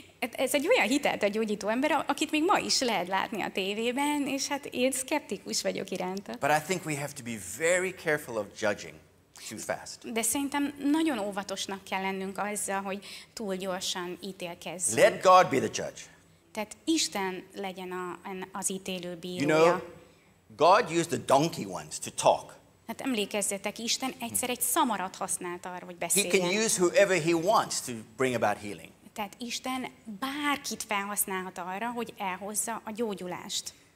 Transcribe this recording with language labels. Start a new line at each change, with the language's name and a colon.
Hungarian: Ez egy olyan hitelt a gyógyító ember, akit még ma is lehet látni a tévében, és hát én szkeptikus vagyok iránta.
English: But I think we have to be very careful of judging too fast.
Hungarian: De szerintem nagyon óvatosnak kell lennünk azzal, hogy túl gyorsan ítélkezzünk.
English: Let God be the judge.
Hungarian: Tehát Isten legyen az ítélő bírója.
English: You know, God used the donkey once to talk.
Hungarian: Hát emlékezzetek, Isten egyszer egy szamarat használt arra, hogy beszéljen.
English: He can use whoever he wants to bring about healing.
Hungarian: Tehát Isten bárkit felhasználhat arra, hogy elhozza a gyógyulást.